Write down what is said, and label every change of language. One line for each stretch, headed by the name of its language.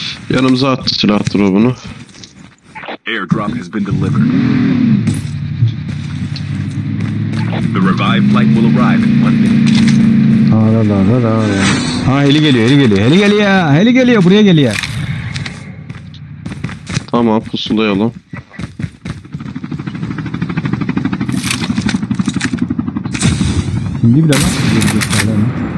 Turkish: Yanımıza attı silah drop'unu.
English: Airdrop has been delivered. The revived flight will arrive in 1 minute.
Turkish: Ara da da da da. Ha, heli geliyor, heli geliyor, heli geliyor, heli geliyor, buraya geliyor. Tamam, pusulayalım. Şimdi bir daha gösterelim.